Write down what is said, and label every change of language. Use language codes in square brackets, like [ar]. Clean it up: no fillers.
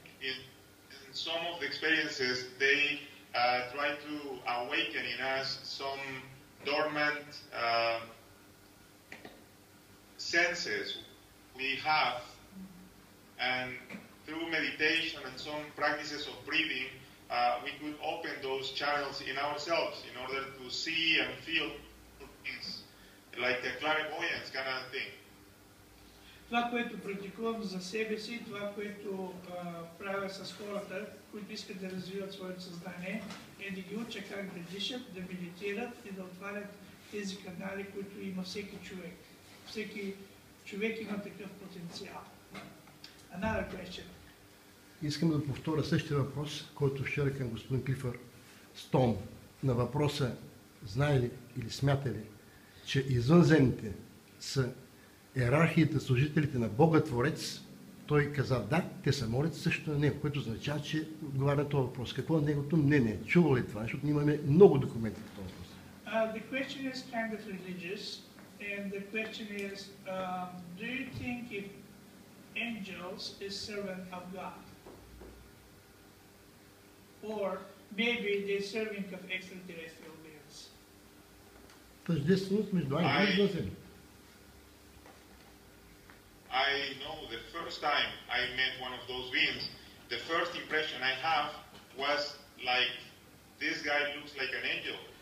[en] In some of the experiences, they try to awaken in us some dormant senses we have, and through meditation and some practices of breathing, we could open those channels in ourselves in order to see and feel things like a clairvoyance kind of thing. [bg] Това, което практикувам за себе си, това, което правя с хората, които искат да развиват своето съзнание, е да ги уча как да дишат, да медитират и да отварят тези канали, които има всеки човек. Всеки човек има такъв потенциал. [en] Another question. [bg] Искам да повторя същия въпрос, който вчера към господин Клифър Стоун, на въпроса, знае ли или смята ли, че извънземните са иерархията, служителите на Бога Творец, той каза да, те се молят също на него, което означава, че отговаря на този въпрос. Какво е негото мнение? Чувал ли това? Защото имаме много документи по този въпрос. [en] The question is kind of religious, and the question is, do you think if angels is servant of God? Or maybe they serving of extraterrestrial beings? [bg] Тъждественост между ангелите и земята. [en] I know the first time I met one of those beings, the first impression I have was like, this guy looks like an angel.